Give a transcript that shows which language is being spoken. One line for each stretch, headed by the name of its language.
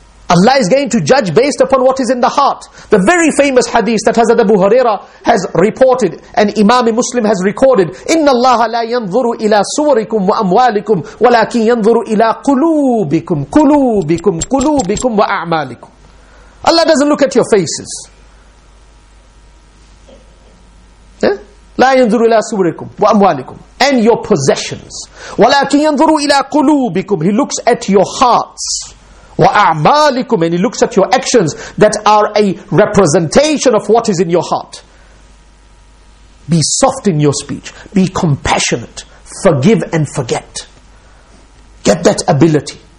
English: Allah is going to judge based upon what is in the heart. The very famous hadith that Hazrat Abu Huraira has reported and Imam Muslim has recorded,
Arabic: إِنَّ اللَّهَ لَا يَنْظُرُ إِلَىٰ سُوَرِكُمْ وَأَمْوَالِكُمْ وَلَكِنْ يَنْظُرُ إِلَىٰ قُلُوبِكُمْ قُلُوبِكُمْ قُلُوبِكُمْ وَأَعْمَالِكُمْ.
English: Allah doesn't look at your faces.
Arabic: لَا يَنْظُرُ إِلَىٰ سُوَرِكُمْ وَأَمْوَالِكُمْ
English: and your possessions.
Arabic: وَلَكِنْ يَنْظُرُ إِلَىٰ قُلُوبِكُمْ.
English: He looks at your hearts.
Arabic: وَأَعْمَالِكُمْ
English: and he looks at your actions that are a representation of what is in your heart. Be soft in your speech. Be compassionate. Forgive and forget. Get that ability.